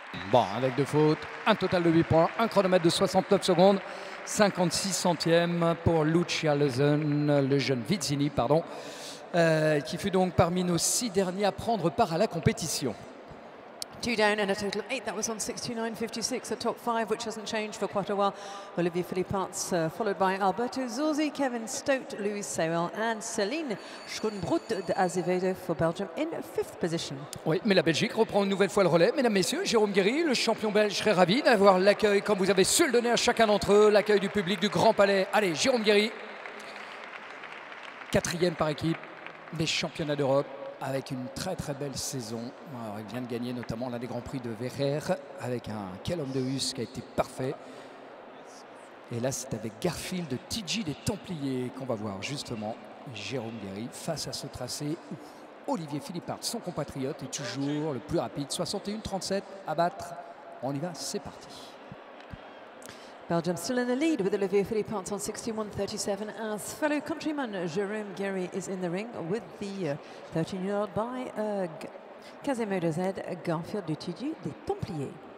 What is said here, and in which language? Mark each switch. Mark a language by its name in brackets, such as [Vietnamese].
[French] Bon, avec deux fautes, un total de 8 points, un chronomètre de 69 secondes, 56 centièmes pour Lucia Lejeune-Vizzini, pardon, qui fut donc parmi nos 6 derniers à prendre part à la compétition. [English] Two down and a total of 8, that was on 69.56, a top 5 which hasn't changed for quite a while. Olivier Philippartz followed by Alberto Zorzi, Kevin Stout, Louis Sewell and Céline Schönbrunn de Azevedo for Belgium in 5th position. [French] Oui, mais la Belgique reprend une nouvelle fois le relais. Mesdames, Messieurs, Jérôme Guéry, le champion belge, serait ravi d'avoir l'accueil comme vous avez su le donner à chacun d'entre eux, l'accueil du public du Grand Palais. Allez, Jérôme Guéry, 4e par équipe des championnats d'Europe. Avec une très très belle saison. Alors, il vient de gagner notamment l'un des Grands Prix de Verrières avec un quel homme de Hus qui a été parfait. Et là, c'est avec Garfield de TG des Templiers qu'on va voir justement Jérôme Guéry face à ce tracé où Olivier Philippartz, son compatriote, est toujours le plus rapide. 61-37 à battre. On y va, c'est parti. [English] Belgium still in the lead with Olivier Philippartz on 61-37 as fellow countryman Jérôme Guéry is in the ring with the 13-year-old by Casemiro Z, Garfield du TG des Templiers.